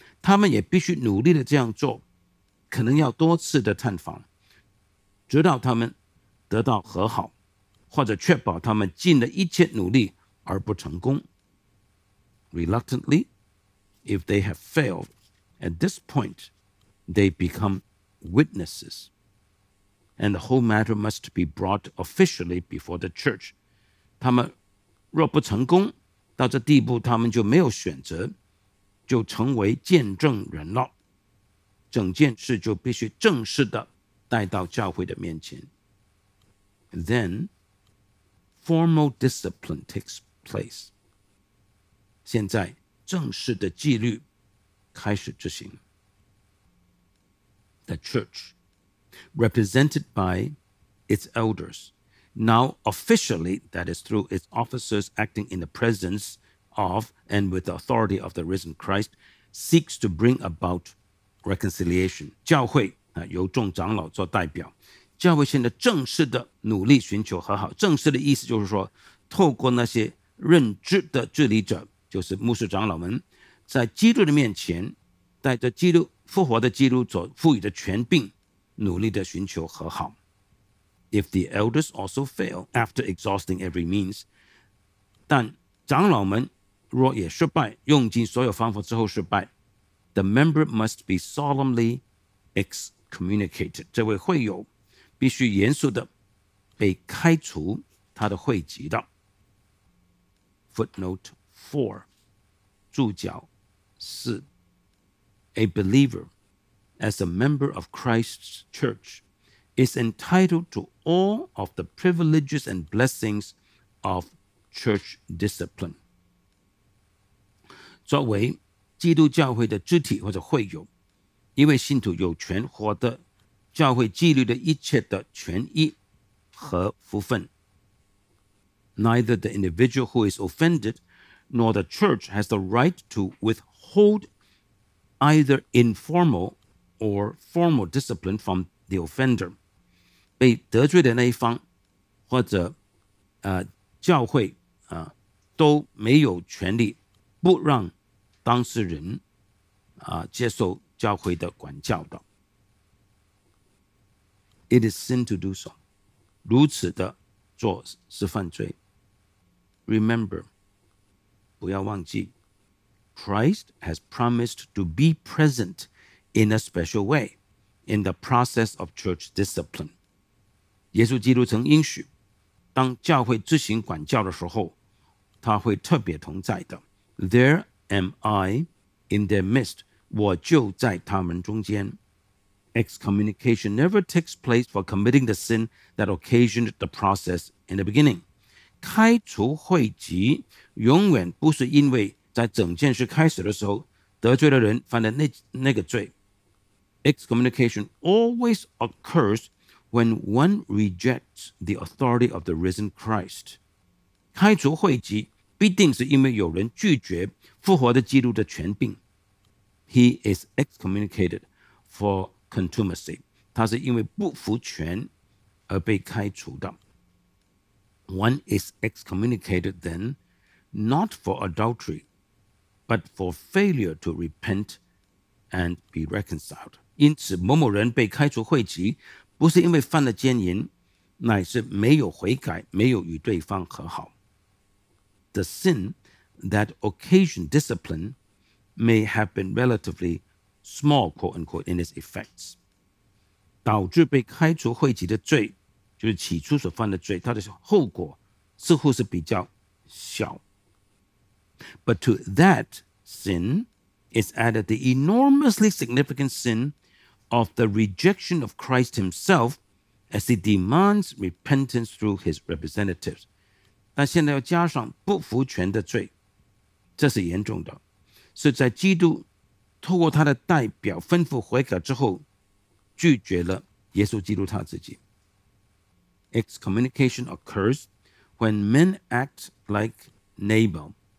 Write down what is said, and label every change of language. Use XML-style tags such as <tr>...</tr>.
<zh>他们也必须努力地这样做，可能要多次的探访，直到他们得到和好，或者确保他们尽了一切努力而不成功。</zh> <en>Reluctantly, if they have failed, at this point, they become witnesses, and the whole matter must be brought officially before the church.</en> <zh>他们若不成功，到这地步他们就没有选择，就成为见证人了。整件事就必须正式的带到教会的面前。</zh> <en>Then, formal discipline takes place.</en> <zh>现在正式的纪律开始执行。</zh> <en>The church, represented by its elders, now officially, that is through its officers acting in the presence of and with the authority of the risen Christ, seeks to bring about reconciliation.</en> <zh>教会由众长老做代表，教会现在正式的努力寻求和好。正式的意思就是说，透过那些任职的治理者，就是牧师长老们，在基督的面前，带着基督复活的基督所赋予的权柄，努力地寻求和好。</zh> <en>If the elders also fail after exhausting every means,</en> <zh>但长老们若也失败，用尽所有方法之后失败，</zh> <en>the member must be solemnly excommunicated.</en> <zh>这位会友必须严肃地被开除他的会籍的。</zh> <en>Footnote. 4,</en> <zh>注脚四。</zh> <en>A believer, as a member of Christ's church, is entitled to all of the privileges and blessings of church discipline.</en> <zh>作为基督教会的肢体或者会友，一位信徒有权获得教会纪律的一切的权益和福分。</zh> <en>Neither the individual who is offended,nor the church has the right to withhold either informal or formal discipline from the offender.</en> <zh>被得罪的那一方或者教会都没有权利不让当事人接受教会的管教的。</zh> <en>It is sin to do so.</en> <zh>如此的做是犯罪。</zh> <en>Remember,</en> <zh>不要忘记</zh> <en>Christ has promised to be present in a special way in the process of church discipline.</en> <zh>耶稣基督曾应许，当教会执行管教的时候，他会特别同在的。</zh> <en>There am I in their midst</en> <zh>我就在他们中间。</zh> <en>Excommunication never takes place for committing the sin that occasioned the process in the beginning.</en> <zh>开除会籍永远不是因为在整件事开始的时候得罪的人犯的那个罪。</zh> <en>Excommunication always occurs when one rejects the authority of the risen Christ.</en> <zh>开除会籍必定是因为有人拒绝复活的基督的权柄。</zh> <en>He is excommunicated for contumacy.</en> <zh>他是因为不服权而被开除的。</zh> <en>One is excommunicated then, not for adultery, but for failure to repent and be reconciled.</en> <zh>因此某某人被开除会籍不是因为犯了奸淫，乃是没有悔改，没有与对方和好。</zh> <en>The sin that occasioned discipline may have been relatively small, quote unquote, in its effects.</en> <zh>导致被开除会籍的罪，就是起初所犯的罪，它的后果似乎是比较小。</zh> <en>But to that sin is added the enormously significant sin of the rejection of Christ himself as he demands repentance through his representatives.</en> <zh>但现在要加上不服权的罪，这是严重的，是在基督透过他的代表吩咐悔改之后拒绝了耶稣基督他自己。</zh> <en>Excommunication occurs when men act like Nabal.</en>